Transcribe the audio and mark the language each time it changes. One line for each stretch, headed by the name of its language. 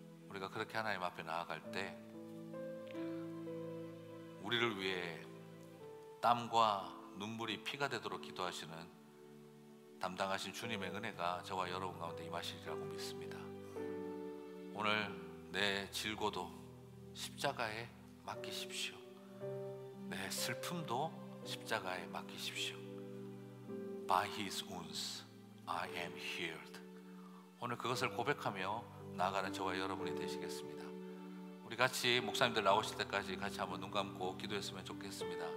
Korean: 우리가 그렇게 하나님 앞에 나아갈 때 우리를 위해 땀과 눈물이 피가 되도록 기도하시는 담당하신 주님의 은혜가 저와 여러분 가운데 임하시리라고 믿습니다. 오늘 내 질고도 십자가에 맡기십시오. 내 슬픔도 십자가에 맡기십시오.
English: By His wounds I am healed.
Korean: 오늘 그것을 고백하며 나아가는 저와 여러분이 되시겠습니다. 우리 같이 목사님들 나오실 때까지 같이 한번 눈 감고 기도했으면 좋겠습니다.